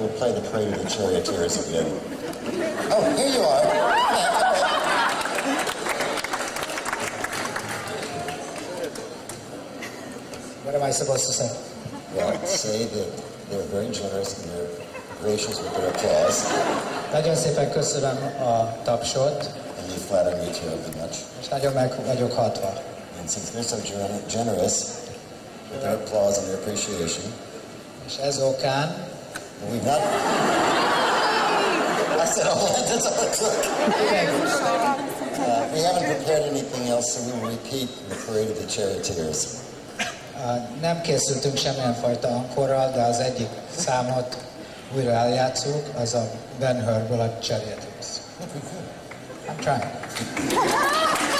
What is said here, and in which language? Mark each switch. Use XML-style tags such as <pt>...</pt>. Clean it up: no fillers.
<en>We'll play the Prelude to the Charioteers again. Oh, here you are. What am I supposed to say? Well, say that they're very generous and they're gracious with their applause.</en> <hu>Nagyon szépen köszönöm a tapsot.</hu> <en>And they flatter me too very much.</en> <hu>És nagyon meg vagyok hatva.</hu> <en>And since they're so generous with their applause and their appreciation.</en> <hu>És ez okán.</hu> <en>We've not. I said, oh, that's on the clock. We haven't prepared anything else, so we will repeat the Parade of the Charioteers.</en> <hu>Nem készültünk semmilyen fajta ankorral, de az egyik számot újra eljátszuk, az a Ben Hurből a Charioteers.</hu> <en>I'm trying.</en>